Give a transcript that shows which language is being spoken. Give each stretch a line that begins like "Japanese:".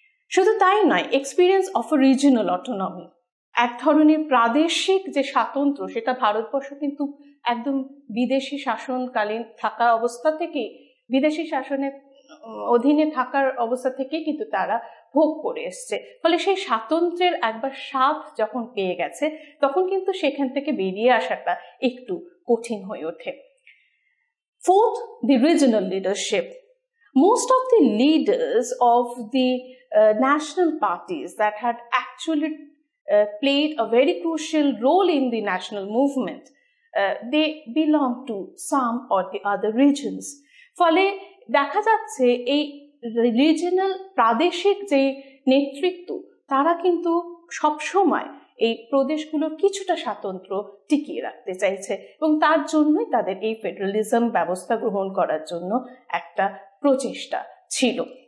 Bangla: শুধু তাই নয়, experience of A regional autonomy, এক ধরনের প্রাদেশিক যে স্বাতন্ত্র্য, সেটা ভারতবর্ষ কিন্তু একদম বিদেশি শাসনকালীন থাকা অবস্থা থেকে, বিদেশি শাসনের অধীনে থাকার অবস্থা থেকে কিন্তু তারা ভোগ করে এসছে। ফলে সেই স্বাতন্ত্র্যের একবার স্বাদ যখন পেয়ে গেছে, তখন কিন্তু সেখান থেকে বেরিয়ে আসাটা একটু কঠিন হয়ে ওঠে।
English: Fourth, the regional leadership. Most of the leaders of the national parties that had actually played a very crucial role in the national movement, they belong to some or the other regions.
Bangla: ফলে দেখা যাচ্ছে এই regional প্রাদেশিক যে নেতৃত্ব তারা কিন্তু সবসময় এই প্রদেশগুলোর কিছুটা স্বাতন্ত্র টিকিয়ে রাখতে চাইছে এবং তার জন্যই তাদের এই ফেডারালিজম ব্যবস্থা গ্রহণ করার জন্য একটা প্রচেষ্টা ছিল।